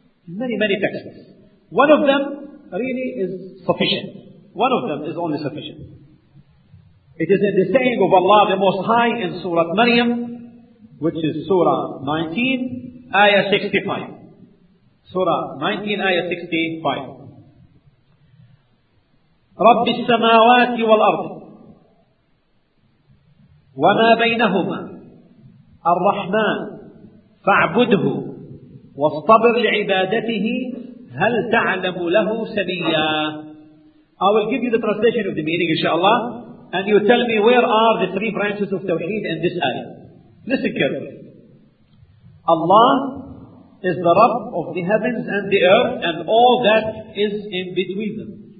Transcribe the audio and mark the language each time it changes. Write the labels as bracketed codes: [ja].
[en] Many, many texts. One of them really is sufficient. One of them is only sufficient. It is in the saying of Allah the Most High in Surah Maryam, which is Surah 19, Ayah 65. Surah 19, Ayah 65. [ar] رب السماوات والأرض وما بينهما الرحمن فاعبده واصطبر لعبادته هل تعلم له سبيا. [en] I will give you the translation of the meaning inshallah, and you tell me where are the three branches of Tawheed in this ayah. Listen carefully. Allah is the Rabb of the heavens and the earth and all that is in between them.